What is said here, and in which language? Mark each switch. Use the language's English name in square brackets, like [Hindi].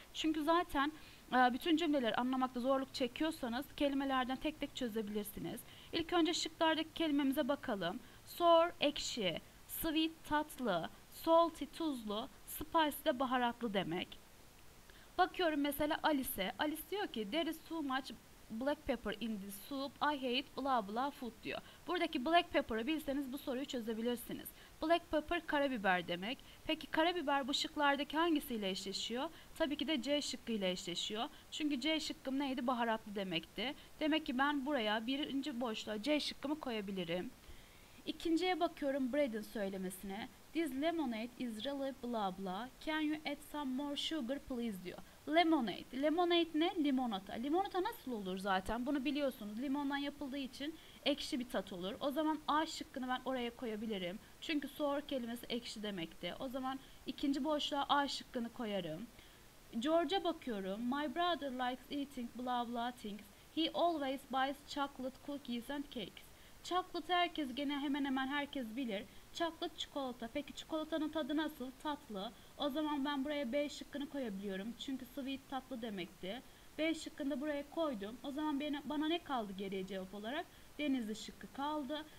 [Turkish] Çünkü zaten bütün cümleleri anlamakta zorluk çekiyorsanız kelimelerden tek tek çözebilirsiniz. İlk önce şıklardaki kelimemize bakalım. Sour ekşi, sweet tatlı, salty tuzlu, spicy de baharatlı demek. Bakıyorum mesela Alice'e. [English] Alice [Turkish] diyor ki [English] there is too much black pepper in this soup. I hate blah blah food [Turkish] diyor. Buradaki black pepper'ı bilseniz bu soruyu çözebilirsiniz. Black pepper karabiber demek. Peki karabiber bu şıklardaki hangisiyle eşleşiyor? Tabii ki de C şıkkıyla eşleşiyor. Çünkü C şıkkım neydi? Baharatlı demekti. Demek ki ben buraya birinci boşluğa C şıkkımı koyabilirim. İkinciye bakıyorum Brad'in söylemesine. [English] This lemonade is really blah blah. Can you add some more sugar please [Turkish] diyor. [English] Lemonade. Lemonade [Turkish] ne? Limonata. Limonata nasıl olur zaten? Bunu biliyorsunuz. Limondan yapıldığı için ekşi bir tat olur. O zaman A şıkkını ben oraya koyabilirim. Çünkü sour kelimesi ekşi demekti. O zaman ikinci boşluğa A şıkkını koyarım. George'a bakıyorum. [English] My brother likes eating blah blah things. He always buys chocolate cookies and cakes. [Turkish] Chocolate herkes gene hemen hemen herkes bilir. Chocolate çikolata. Peki çikolatanın tadı nasıl? Tatlı. O zaman ben buraya B şıkkını koyabiliyorum. Çünkü sweet tatlı demekti. B şıkkını da buraya koydum. O zaman bana ne kaldı geriye cevap olarak? Denizli şıkkı kaldı.